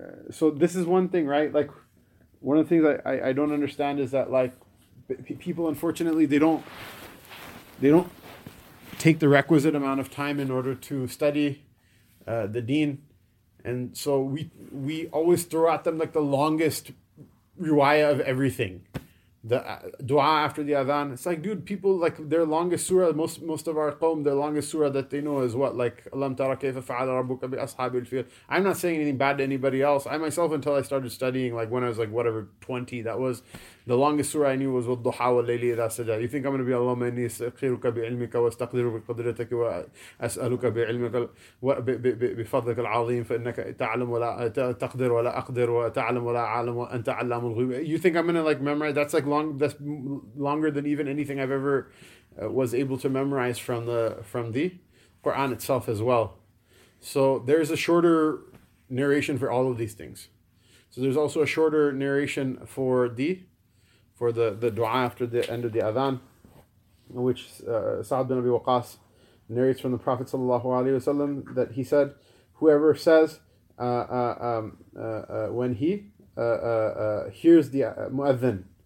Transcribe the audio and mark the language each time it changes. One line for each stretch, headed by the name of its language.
English: So this is one thing, right? Like, one of the things I don't understand is that, like, people, unfortunately, they don't take the requisite amount of time in order to study the deen. And so we always throw at them like the longest riwayah of everything. The dua after the adhan. It's like, dude, people, like, their longest surah, most of our qawm, their longest surah that they know is what?
Arabic: Like, أَلَمْ تَرَ كَيْفَ فَعَلَ رَبُّكَ بِأَصْحَابِ الْفِيلِ.
English: I'm not saying anything bad to anybody else. I myself, until I started studying, like when I was like, whatever, 20, that was the longest surah I knew was
Arabic: وَالضُّحَى وَاللَّيْلِ إِذَا سَجَى.
English: You think I'm going to be,
Arabic: اللهم إني أستقرك بعلمك واستقدر بقدرتك وأسألك بعلمك بفضلك العظيم فإنك تعلم ولا تقدر ولا أقدر وتعلم ولا أعلم وأنت علام الغيوب.
English: You think I'm going to like memorize, that's like long, that's longer than even anything I've ever was able to memorize from the Quran itself as well. So there's a shorter narration for all of these things. So there's also a shorter narration for the dua after the end of the adhan, which Sa'd bin Abi Waqas narrates from the Prophet sallallahu alaihi wasallam that he said, whoever says when he hears the muadhin,